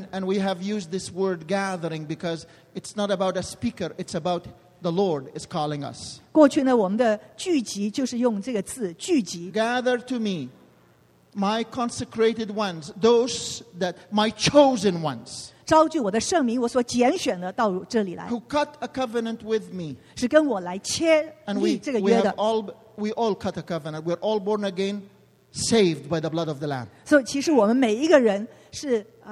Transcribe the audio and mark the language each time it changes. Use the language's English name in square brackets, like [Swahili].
[English] and we have used this word gathering because it's not about a speaker, it's about the Lord is calling us. [Chinese] 过去呢，我们的聚集就是用这个字聚集。 [English] Gather to me, my consecrated ones, those that my chosen ones. [Chinese] 召聚我的圣民，我所拣选的到这里来。 [English] Who cut a covenant with me? [Chinese] 是跟我来签立这个约的。 [English] And we all cut a covenant. We're all born again, saved by the blood of the Lamb. [Chinese] So, 其实我们每一个人是